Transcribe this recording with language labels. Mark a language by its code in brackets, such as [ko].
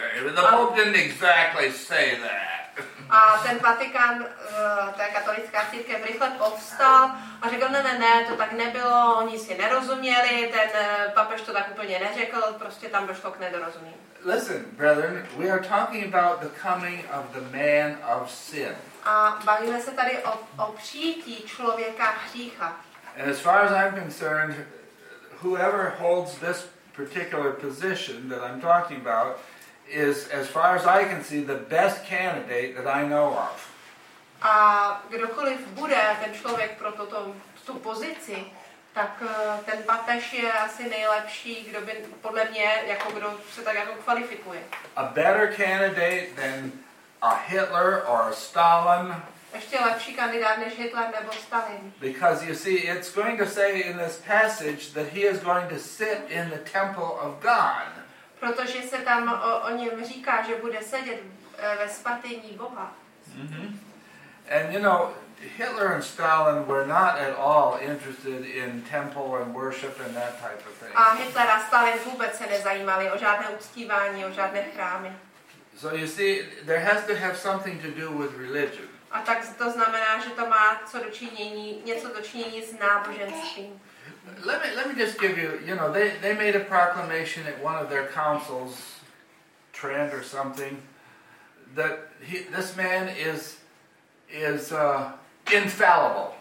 [en] The Pope didn't exactly say that. [cs] A ten Vatikán, ta katolická církev, rychle povstal a řekl, ne, to tak nebylo, oni si nerozuměli, ten papež to tak úplně neřekl, prostě tam došlo k nedorozumění. [en] Listen, brethren, we are talking about the coming of the man of sin. [cs] A bavíme se tady o přijetí člověka hřícha. [en] And as far as I'm concerned, whoever holds this particular position that I'm talking about, is, as far as I can see, the best candidate that I know of. [cs] A kdokoliv bude ten člověk pro tu pozici, tak ten papež je asi nejlepší, kdo by, podle mě, jako kdo se tak jako kvalifikuje. [en] A better candidate than a Hitler or a Stalin. [cs] Ještě lepší kandidát než Hitler nebo Stalin. [en] Because you see, it's going to say in this passage that he is going to sit in the temple of God. [cs] Protože se tam o něm říká, že bude sedět ve svatyni Boha. Mm-hmm. [en] And you know, Hitler and Stalin were not at all interested in temple and worship and that type of thing. [cs] A Hitler a Stalin vůbec se nezajímali o žádné uctívání, o žádné chrámy. [en] So you see, there has to have something to do with religion. [cs] A tak to znamená, že to má něco dočinění s náboženstvím. [en] Let me just give you, you know, they made a proclamation at one of their councils, Trent or something, that this man is infallible.